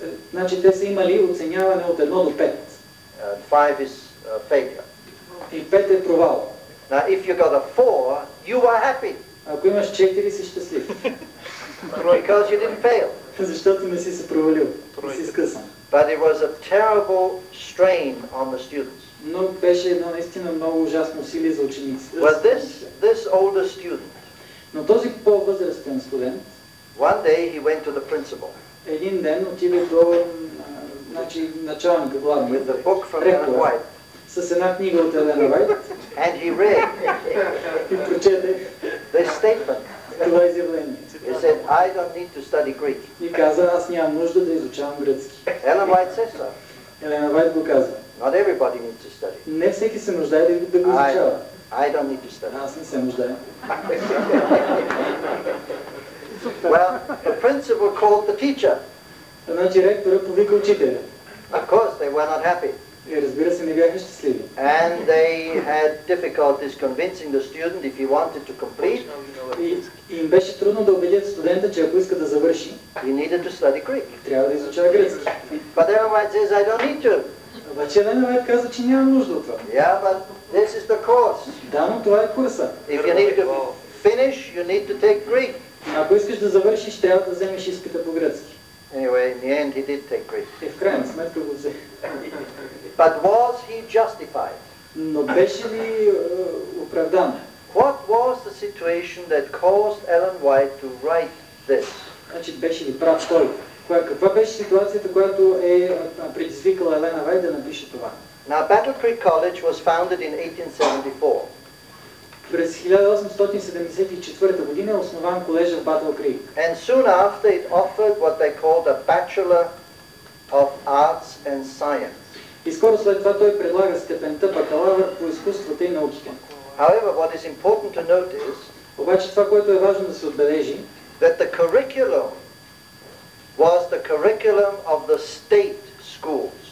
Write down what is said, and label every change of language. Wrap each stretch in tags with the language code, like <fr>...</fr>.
<bg>Значи те са имали оценяване от 1 до 5.</bg> <en>5 is failure.</en> <bg>И 5 е провал.</bg> <en>Now if you got a 4, you were happy.</en> <bg>Ако имаш 4, си щастлив.</bg> <en>Because you didn't fail.</en> <bg>Защото не си се провалил. Не си скъсан.</bg> <en>But it was a terrible strain on the students.</en> <bg>Но беше едно наистина много ужасно усилие за ученици.</bg> <en>Well, this older student.</en> <bg>Но този по-възрастен студент.</bg> <en>One day he went to the principal.</en> <bg>Един ден отиде до началника, главния.</bg> <en>With the book from Ellen White.</en> <bg>С една книга от Елена Уайт.</bg> <en>And he read.</en> <bg>И прочете.</bg> <en>This statement.</en> <bg>Това изявление.</bg> <en>He said, I don't need to study Greek.</en> <bg>И каза, аз нямам нужда да изучавам гръцки.</bg> <en>Ellen White says so.</en> <bg>Елена Уайт го каза.</bg> <en>Not everybody needs to study.</en> <bg>Не всеки се нуждае да го изучава.</bg> <en>I don't need to study.</en> <bg>Аз не се нуждая.</bg> <en>Well, the principal called the teacher.</en> <bg>Значи ректорът повика учителя.</bg> <en>Of course, they were not happy.</en> <bg>И разбира се, не бяха щастливи.</bg> <en>And they had difficulties convincing the student if he wanted to complete.</en> <bg>И им беше трудно да убедят студента, че ако иска да завърши,</bg> <en>he needed to study Greek.</en> <bg>Трябва да изучава гръцки.</bg> <en>But everyone says, I don't need to.</en> <bg>Обаче Елена Уайт каза, че няма нужда от това.</bg> <en>Yeah, but this is the course.</en> <bg>Да, но това е курса.</bg> <en>If you need to finish, you need to take Greek.</en> <bg>Ако искаш да завършиш, трябва да вземеш изпита по гръцки.</bg> <en>Anyway, in the end he did take Greek.</en> <bg>И в крайна сметка го взе.</bg> <en>But was he justified?</en> <bg>Но беше ли оправдан?</bg> <en>What was the situation that caused Ellen White to write this?</en> <bg>Значи беше ли прав той? Каква беше ситуацията, която е предизвикала Елена Уайт да напише това?</bg> <en>Now, Battle Creek College was founded in 1874.</en> <bg>През 1874 година е основан колежа в Батъл Крик.</bg> <en>And soon after it offered what they called a Bachelor of Arts and Science.</en> <bg>И скоро след това той предлага степента бакалавър по изкуствата и науките.</bg> <en>However, what is important to notice,</en> <bg>обаче това, което е важно да се отбележи,</bg> <en>that the curriculum was the curriculum of the state schools.</en>